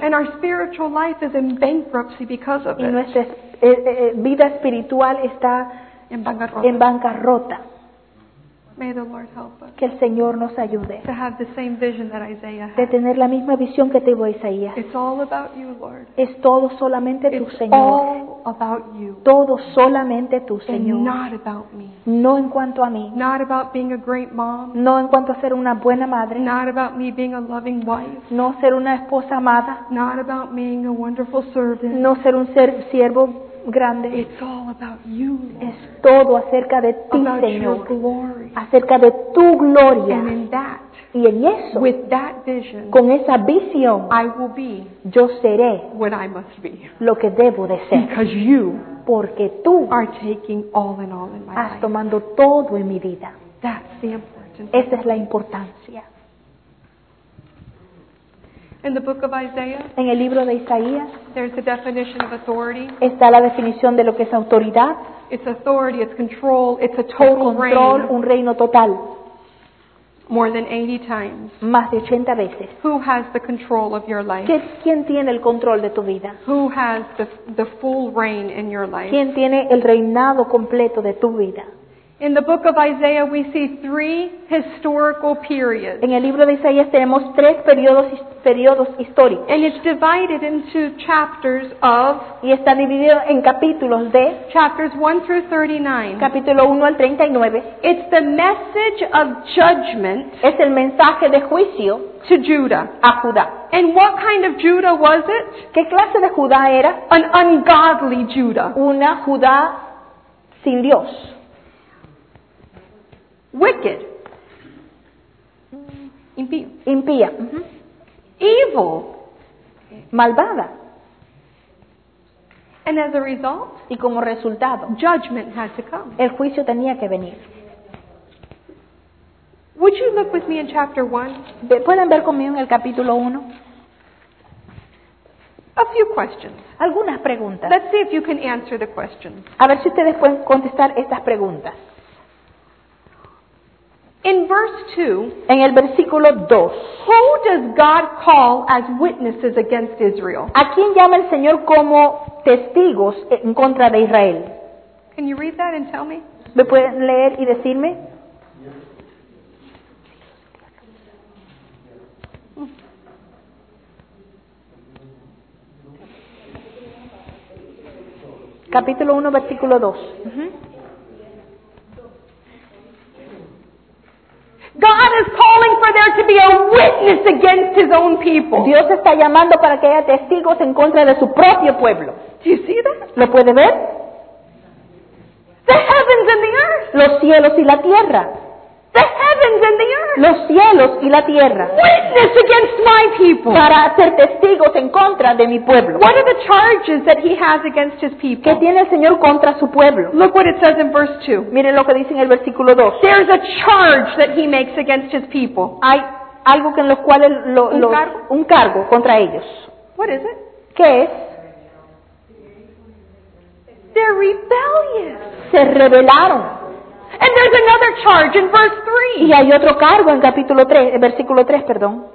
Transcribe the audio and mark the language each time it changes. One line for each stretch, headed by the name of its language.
English: And our spiritual life is in bankruptcy because of it.
Spanish: Nuestra vida espiritual está en bancarrota.
English: May the Lord help us.
Spanish: Que el Señor nos ayude.
English: To have the same vision that Isaiah had.
Spanish: De tener la misma visión que tuvo Isaías.
English: It's all about you, Lord.
Spanish: Es todo solamente
English: It's
Spanish: tu Señor.
English: All about you.
Spanish: Todo solamente tu Señor.
English: And not about me.
Spanish: No en cuanto a mí.
English: Not about being a great mom.
Spanish: No en cuanto a ser una buena madre.
English: Not about me being a loving wife.
Spanish: No ser una esposa amada.
English: Not about being a wonderful servant.
Spanish: No ser un siervo grande.
English: It's all about you, Lord.
Spanish: Es todo acerca de ti,
English: about
Spanish: Señor.
English: Your glory.
Spanish: Acerca de tu gloria.
English: And in that,
Spanish: y en eso,
English: with that vision,
Spanish: con esa visión,
English: I will be
Spanish: yo seré
English: what I must be.
Spanish: Lo que debo de ser.
English: Because you
Spanish: porque tú
English: are taking all in all in my
Spanish: has
English: life.
Spanish: Tomando todo en mi vida.
English: That's the importance.
Spanish: Esa es la importancia.
English: In the book of Isaiah,
Spanish: en el libro de Isaías,
English: there's the definition of authority.
Spanish: Está la definición de lo que es autoridad.
English: It's authority, it's control, it's a total reign. Control, reign.
Spanish: Un reino total.
English: More than 80 times.
Spanish: Más de 80 veces.
English: Who has the control of your life?
Spanish: ¿Quién tiene el control de tu vida?
English: Who has the full reign in your life?
Spanish: ¿Quién tiene el reinado completo de tu vida?
English: In the book of Isaiah, we see three historical periods.
Spanish: En el libro de Isaías tenemos tres periodos históricos.
English: And it's divided into chapters of.
Spanish: Y está dividido en capítulos de.
English: Chapters 1 through 39.
Spanish: Capítulo 1 al 39.
English: It's the message of judgment.
Spanish: Es el mensaje de juicio.
English: To Judah.
Spanish: A Judá.
English: And what kind of Judah was it?
Spanish: ¿Qué clase de Judá era?
English: An ungodly Judah.
Spanish: Una Judá sin Dios.
English: Wicked.
Spanish: Impía.
English: Evil.
Spanish: Malvada.
English: And as a result,
Spanish: y como resultado,
English: judgment had to come.
Spanish: El juicio tenía que venir.
English: Would you look with me in chapter 1?
Spanish: ¿Pueden ver conmigo en el capítulo 1?
English: A few questions.
Spanish: Algunas preguntas.
English: Let's see if you can answer the questions.
Spanish: A ver si ustedes pueden contestar estas preguntas.
English: In verse 2,
Spanish: en el versículo 2,
English: who does God call as witnesses against Israel?
Spanish: ¿A quién llama el Señor como testigos en contra de Israel?
English: Can you read that and tell me?
Spanish: ¿Me pueden leer y decirme? Capítulo 1, versículo 2.
English: God is calling for there to be a witness against his own people.
Spanish: Dios está llamando para que haya testigos en contra de su propio pueblo.
English: Do you see that?
Spanish: ¿Lo puede ver?
English: The heavens and the earth.
Spanish: Los cielos y la tierra.
English: The heavens and the earth.
Spanish: Los cielos y la tierra.
English: Witness against my people.
Spanish: Para ser testigos en contra de mi pueblo.
English: What are the charges that he has against his people?
Spanish: ¿Qué tiene el Señor contra su pueblo?
English: Look what it says in verse 2.
Spanish: Miren lo que dice en el versículo 2.
English: There's a charge that he makes against his people.
Spanish: Hay algo que en los cuales un cargo contra ellos.
English: What is it?
Spanish: ¿Qué es?
English: They're rebellious.
Spanish: Se rebelaron.
English: And there's another charge in verse 3.
Spanish: Y hay otro cargo en capítulo 3, en versículo 3, perdón.